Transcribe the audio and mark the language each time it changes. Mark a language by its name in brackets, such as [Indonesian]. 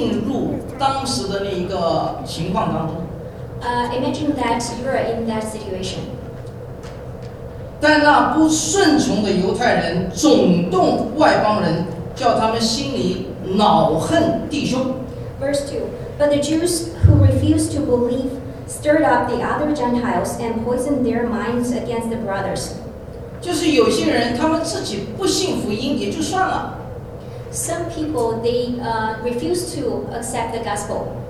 [Chinese] 请大家把自己进入当时的那一个情况当中。 [English] Imagine that you are in that situation. [Chinese] 但那不顺从的犹太人总动外邦人，叫他们心里恼恨弟兄。 [English] Verse 2. But the Jews who refused to believe stirred up the other Gentiles and poisoned their minds against the brothers. [Chinese] 就是有些人他们自己不信福音也就算了。 [English] Some people, they refuse to accept the gospel.